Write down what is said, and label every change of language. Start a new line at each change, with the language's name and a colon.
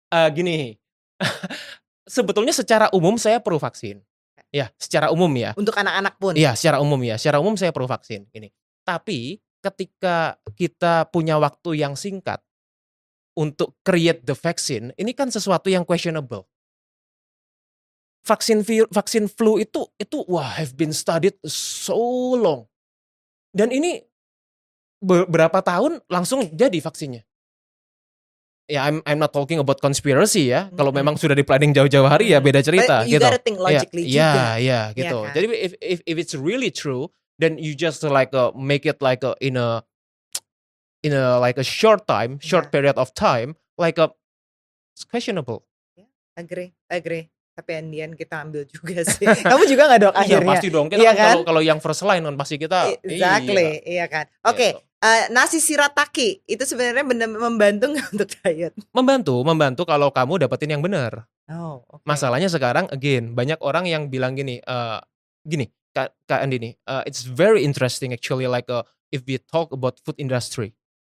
Indonesian: Gini. Sebetulnya secara umum saya perlu vaksin. Ya, secara umum ya. Untuk anak-anak pun. Iya, secara umum ya. Secara umum saya perlu vaksin ini. Tapi ketika kita punya waktu yang singkat untuk
English: create the vaccine,
Indonesian: ini kan sesuatu yang questionable. Vaksin flu itu wah
English: have been studied so long.
Indonesian: Dan ini berapa tahun langsung jadi vaksinnya.
English: Ya, I'm not talking about conspiracy
Indonesian: ya. Kalau memang sudah di planning jauh-jauh hari ya beda cerita
English: you
Indonesian: gitu.
English: You gotta think logically
Indonesian: juga. Ya, gitu. Yeah, kan?
English: Jadi if it's really true, then you just like make it like in a like a short time, short period of time, like it's questionable. Yeah, agree.
Indonesian: Tapi Andian kita ambil juga sih. Kamu juga nggak dok akhirnya? Ya, pasti dong. Kita kan? Kalau yang first line kan pasti kita exactly, iya kan? Oke. Okay. Gitu. Nasi shirataki itu sebenarnya benar membantu nggak untuk diet? Membantu, membantu kalau kamu dapetin yang benar.
English: Oh, okay.
Indonesian: Masalahnya sekarang again banyak orang yang bilang gini, gini Kak Andini,
English: it's very interesting actually, like if we talk about food industry.